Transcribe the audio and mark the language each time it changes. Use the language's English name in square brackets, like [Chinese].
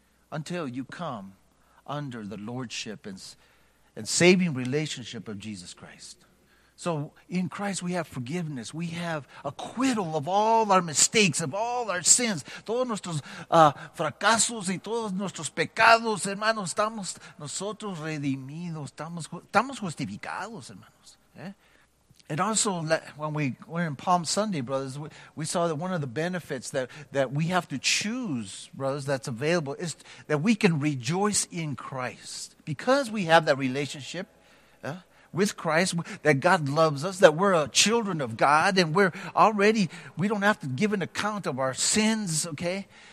[English] Until you come under the lordship and saving relationship of Jesus Christ. So in Christ we have forgiveness. We have acquittal of all our mistakes, of all our sins. [Spanish] Todos nuestros fracasos y todos nuestros pecados, hermanos, estamos nosotros redimidos. Estamos justificados, hermanos. ¿Eh? [English] And also, when we were in Palm Sunday, brothers, we saw that one of the benefits that we have to choose, brothers, that's available is that we can rejoice in Christ. Because we have that relationship with Christ, that God loves us, that we're children of God, and we don't have to give an account of our sins, okay?